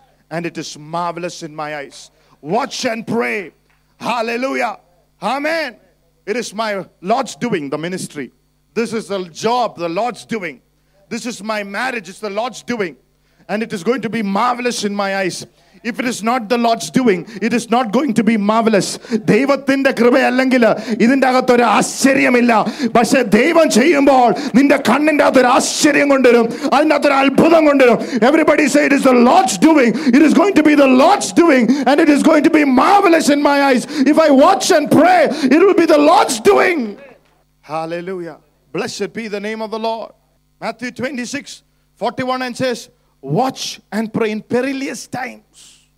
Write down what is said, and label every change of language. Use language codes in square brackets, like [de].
[en] And it is marvelous in my eyes. Watch and pray. Hallelujah. Amen. It is my Lord's doing, the ministry. This is the job, the Lord's doing. This is my marriage, it's the Lord's doing. And it is going to be marvelous in my eyes. If it is not the Lord's doing, it is not going to be marvelous. [ml] ദൈവത്തിന്റെ കൃപയല്ലെങ്കിൽ ഇതിന്റെ അകത്ത് ഒരു ആശ്ചര്യമില്ല. പക്ഷെ ദൈവം ചെയ്യുമ്പോൾ നിന്റെ കണ്ണിന്റെ അകത്ത് ഒരു ആശ്ചര്യം കൊണ്ടുവരും, അതിനകത്ത് ഒരു അത്ഭുതം കൊണ്ടുവരും. [en] Everybody say it is the Lord's doing. It is going to be the Lord's doing and it is going to be marvelous in my eyes. If I watch and pray, it will be the Lord's doing. Hallelujah. Blessed be the name of the Lord. Matthew 26:41 and says, watch and pray in perilous times.